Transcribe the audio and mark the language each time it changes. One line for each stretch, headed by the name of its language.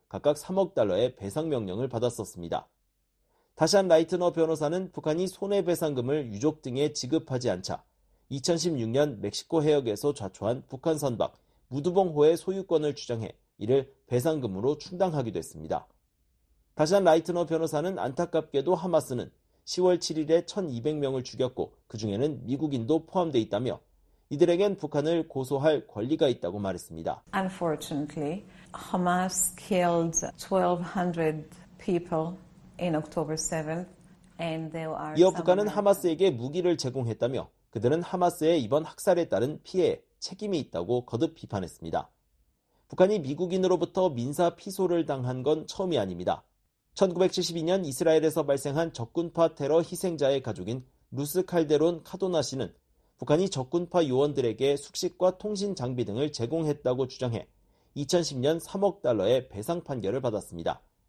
Korean: 각각 3억 달러의 배상 명령을 받았었습니다. 다샨 라이트너 변호사는 북한이 손해배상금을 유족 등에 지급하지 않자 2016년 멕시코 해역에서 좌초한 북한 선박 무드봉호의 소유권을 주장해 이를 배상금으로 충당하기도 했습니다. 다샨 라이트너 변호사는 안타깝게도 하마스는 10월 7일에 1200명을 죽였고 그 중에는 미국인도 포함돼 있다며 이들에겐 북한을 고소할 권리가 있다고 말했습니다.
English: Unfortunately, Hamas killed 1200 people in October 7th and there are
Korean: 이어 북한은 하마스에게 무기를 제공했다며 그들은 하마스의 이번 학살에 따른 피해에 책임이 있다고 거듭 비판했습니다. 북한이 미국인으로부터 민사 피소를 당한 건 처음이 아닙니다. 1972년 이스라엘에서 발생한 적군파 테러 희생자의 가족인 루스 칼데론 카도나 씨는 북한이 적군파 요원들에게 숙식과 통신 장비 등을 제공했다고 주장해 2010년 3억 달러의 배상 판결을 받았습니다.